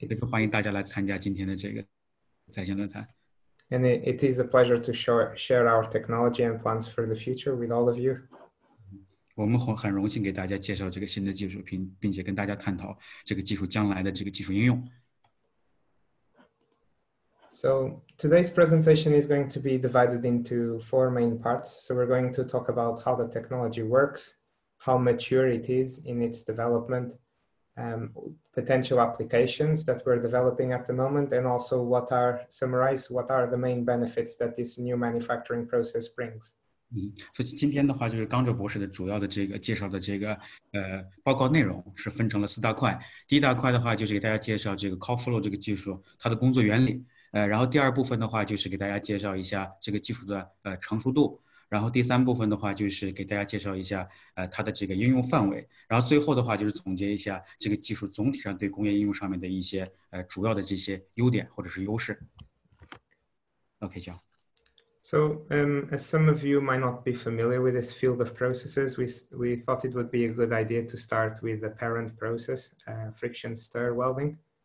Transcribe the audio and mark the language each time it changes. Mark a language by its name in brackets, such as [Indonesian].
[Chinese] 欢迎大家来参加今天的这个在线论坛。 [English] And it is a pleasure to share our technology and plans for the future with all of you. [Chinese] 我们很荣幸给大家介绍这个新的技术，并且跟大家探讨这个技术将来的这个技术应用。 [English] So today's presentation is going to be divided into four main parts. So we're going to talk about how the technology works, how mature it is in its development,potential applications that we're developing at the moment, and also what are the main benefits that this new manufacturing process brings. [Chinese] 所以今天的话就是刚卓博士的主要的这个介绍的这个报告内容是分成了四大块。第一大块的话就是给大家介绍这个 CoreFlow 这个技术它的工作原理，然后第二部分的话就是给大家介绍一下这个技术的成熟度，然后第三部分的话就是给大家介绍一下它的这个应用范围，然后最后的话就是总结一下这个技术总体上对工业应用上面的一些主要的这些优点或者是优势。 [English] OK, John. So, as some of you might not be familiar with this field of processes, we thought it would be a good idea to start with the parent process, friction stir welding.